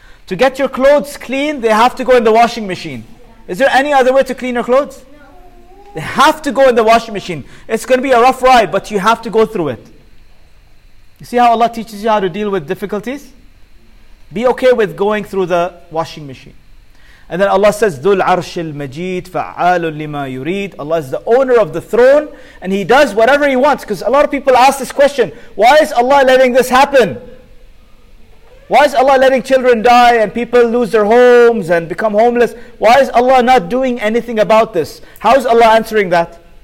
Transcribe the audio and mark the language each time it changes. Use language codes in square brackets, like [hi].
[en] To get your clothes clean, they have to go in the washing machine. Yeah. Is there any other way to clean your clothes? No. They have to go in the washing machine. It's going to be a rough ride, but you have to go through it. You see how Allah teaches you how to deal with difficulties? Be okay with going through the washing machine. And then Allah says, [ar] ذُو الْعَرْشِ الْمَجِيدِ فَعَالٌ لِمَا يُرِيدُ. [en] Allah is the owner of the throne, and He does whatever He wants. Because a lot of people ask this question, why is Allah letting this happen? Why is Allah letting children die and people lose their homes and become homeless? Why is Allah not doing anything about this? How is Allah answering that?